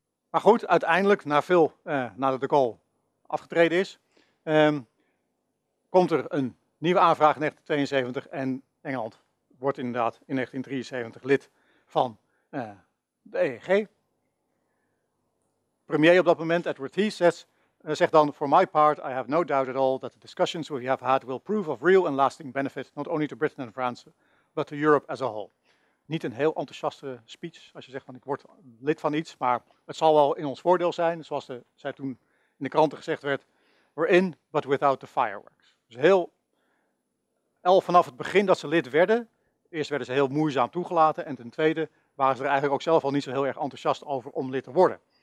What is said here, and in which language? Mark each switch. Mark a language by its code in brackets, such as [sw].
[nl] Maar goed, uiteindelijk, nadat de Gaulle afgetreden is, komt er een nieuwe aanvraag in 1972 en Engeland wordt inderdaad in 1973 lid van de EEG. Premier op dat moment, Edward Heath, zegt dan: [en] "For my part, I have no doubt at all that the discussions we have had will prove of real and lasting benefit, not only to Britain and France, but to Europe as a whole. [nl] Niet een heel enthousiaste speech als je zegt van ik word lid van iets, maar het zal wel in ons voordeel zijn, zoals zij toen in de kranten gezegd werd, [en] we're in, but without the fireworks. [nl] Dus heel, al vanaf het begin dat ze lid werden, eerst werden ze heel moeizaam toegelaten en ten tweede waren ze er eigenlijk ook zelf al niet zo heel erg enthousiast over om lid te worden.